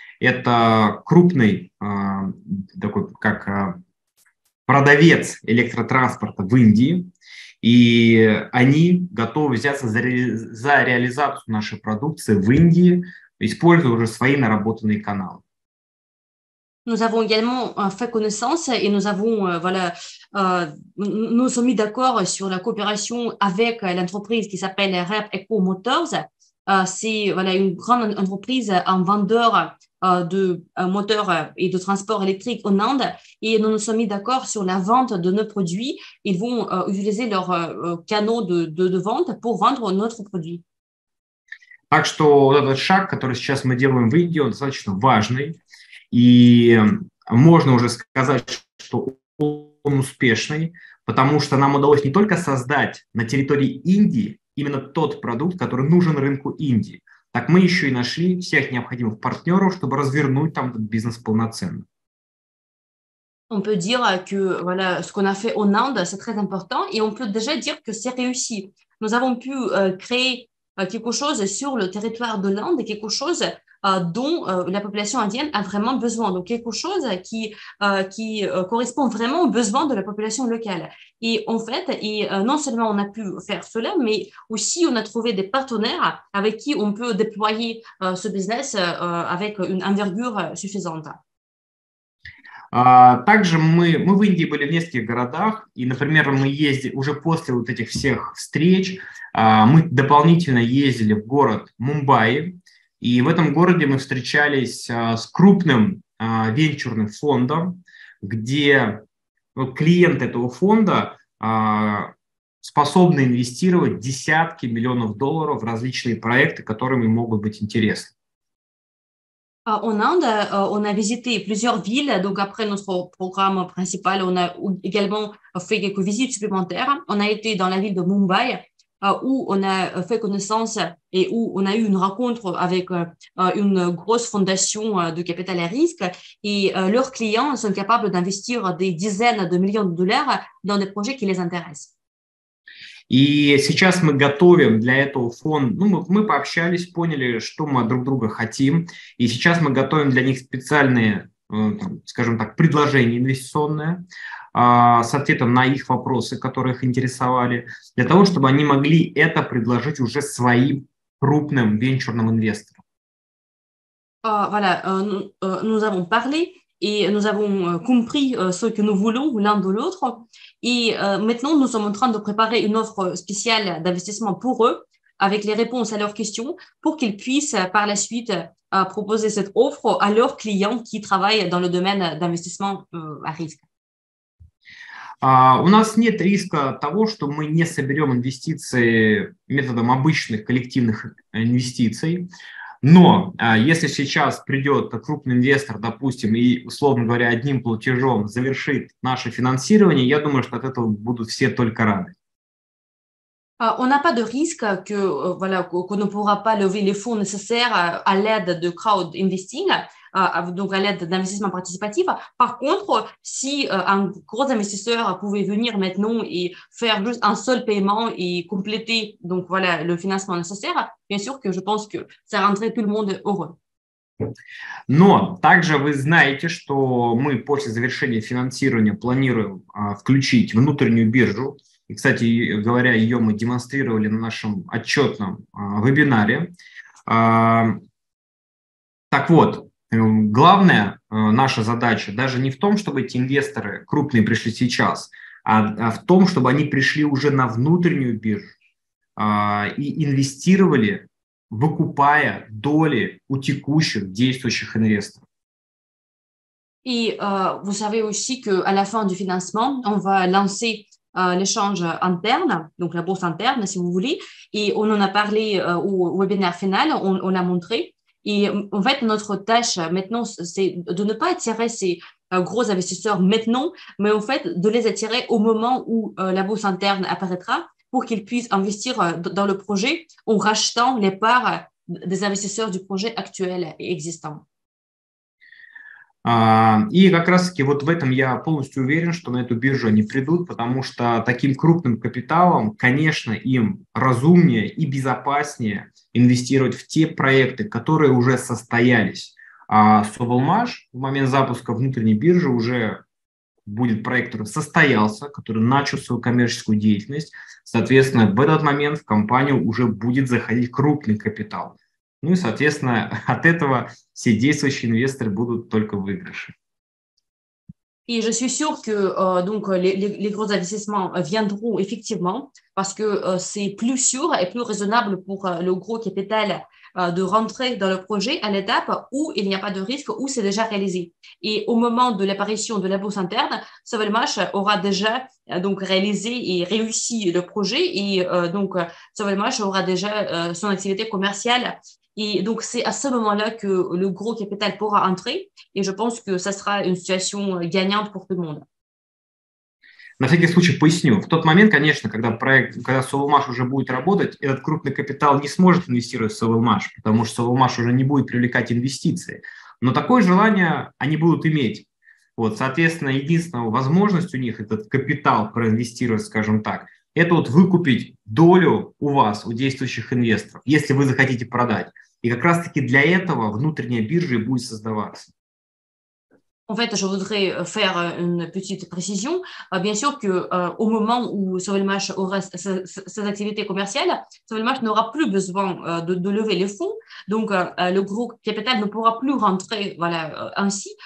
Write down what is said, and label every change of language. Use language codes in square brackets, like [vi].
[ru] Это крупный такой, как продавец электротранспорта в Индии. И они готовы взяться за реализацию нашей продукции в Индии, используя уже свои наработанные каналы. [fr] Nous avons également fait connaissance et nous avons voilà nous sommes mis d'accord sur la coopération avec l'entreprise qui s'appelle REP Eco Motors. C'est voilà une grande entreprise en vendeur de moteurs et de transports électriques en Inde et nous nous sommes mis d'accord sur la vente de nos produits. Ils vont utiliser leurs canaux de vente pour vendre notre produit. [ru] Так что вот этот шаг, который сейчас мы делаем в Индии, он достаточно важный. И можно уже сказать, что он успешный, потому что нам удалось не только создать на территории Индии именно тот продукт, который нужен рынку Индии, так мы еще и нашли всех необходимых партнеров, чтобы развернуть там этот бизнес полноценно. [fr] On peut dire que voilà, ce qu'on a fait en Inde, c'est très important et on peut déjà dire que c'est réussi. Nous avons pu créer quelque chose sur le territoire de l'Inde, quelque chose dont la population indienne a vraiment besoin. Donc quelque chose qui correspond vraiment aux besoins de la population locale. Et en fait, non seulement on a pu faire cela, mais aussi on a trouvé des partenaires avec qui on peut déployer ce business avec une envergure suffisante. [ru] Также мы в Индии были в нескольких городах, и, например, мы ездили уже после вот этих всех встреч, мы дополнительно ездили в город Мумбаи, и в этом городе мы встречались с крупным венчурным фондом, где клиенты этого фонда способны инвестировать десятки миллионов долларов в различные проекты, которые им могут быть интересны. [fr] En Inde, on a visité plusieurs villes. Donc, après notre programme principal, on a également fait quelques visites supplémentaires. On a été dans la ville de Mumbai, où on a fait connaissance et où on a eu une rencontre avec une grosse fondation de capital à risque. Et leurs clients sont capables d'investir des dizaines de millions de dollars dans des projets qui les intéressent. [ru] И сейчас мы готовим для этого фонд, ну, мы пообщались, поняли, что мы друг друга хотим, и сейчас мы готовим для них специальные, скажем так, предложения инвестиционные, с ответом на их вопросы, которые их интересовали, для того, чтобы они могли это предложить уже своим крупным венчурным инвесторам. [fr] Voilà, nous avons parlé et nous avons compris ce que nous voulons l'un de l'autre. Et maintenant, nous sommes en train de préparer une offre spéciale d'investissement pour eux, avec les réponses à leurs questions, pour qu'ils puissent par la suite proposer cette offre à leurs clients qui travaillent dans le domaine d'investissement à risque. [ru] У нас нет риска того, что мы не соберем инвестиции методом обычных коллективных инвестиций. Но если сейчас придет крупный инвестор, допустим, и, условно говоря, одним платежом завершит наше финансирование, я думаю, что от этого будут все только рады. [fr] On n'a pas de risque que voilà qu'on ne pourra pas lever les fonds nécessaires à l'aide de crowd investing, donc à l'aide d'investissement participatif. Par contre, si un gros investisseur pouvait venir maintenant et faire juste un seul paiement et compléter donc voilà le financement nécessaire, bien sûr que je pense que ça rendrait tout le monde heureux. [ru] Но также вы знаете, что мы после завершения финансирования планируем включить внутреннюю биржу. И, кстати говоря, ее мы демонстрировали на нашем отчетном вебинаре. Так вот, главная наша задача даже не в том, чтобы эти инвесторы крупные пришли сейчас, а в том, чтобы они пришли уже на внутреннюю биржу и инвестировали, выкупая доли у текущих действующих инвесторов. [fr] Et vous savez aussi qu'à la fin du financement, on va lancer l'échange interne, donc la bourse interne, si vous voulez. Et on en a parlé au webinaire final, on l'a montré. Et en fait, notre tâche maintenant, c'est de ne pas attirer ces gros investisseurs maintenant, mais en fait de les attirer au moment où la bourse interne apparaîtra pour qu'ils puissent investir dans le projet en rachetant les parts des investisseurs du projet actuel et existant. [ru] И как раз-таки вот в этом я полностью уверен, что на эту биржу они придут, потому что таким крупным капиталом, конечно, им разумнее и безопаснее инвестировать в те проекты, которые уже состоялись. А Совелмаш в момент запуска внутренней биржи уже будет проект, который состоялся, который начал свою коммерческую деятельность. Соответственно, в этот момент в компанию уже будет заходить крупный капитал. Ну и, соответственно, от этого все действующие инвесторы будут только в выигрыше. [fr] Et je suis sûre que donc les gros investissements viendront effectivement parce que c'est plus sûr et plus raisonnable pour le gros capital de rentrer dans le projet à l'étape où il n'y a pas de risque, où c'est déjà réalisé. Et au moment de l'apparition de la bourse interne, Sovelmash aura déjà donc réalisé et réussi le projet et donc Sovelmash aura déjà son activité commerciale. Et donc, c'est à ce moment-là que le gros capital pourra entrer, et je pense que ça sera une situation gagnante pour tout le monde. [ru] На всякий случай поясню. В тот момент, конечно, когда Совелмаш уже будет работать, этот крупный капитал не сможет инвестировать в Совелмаш, потому что Совелмаш уже не будет привлекать инвестиции. Но такое желание они будут иметь. Вот, соответственно, единственная возможность у них этот капитал проинвестировать, скажем так, это вот выкупить долю у вас, у действующих инвесторов, если вы захотите продать. И как раз-таки для этого внутренняя биржа и будет создаваться. [fr] En fait, je voudrais faire une petite précision. Bien sûr que au moment où Sauvelmash aura ses activités commerciales, Sauvelmash n'aura plus besoin de lever les fonds. Donc, le gros capital ne pourra plus rentrer, voilà, ainsi.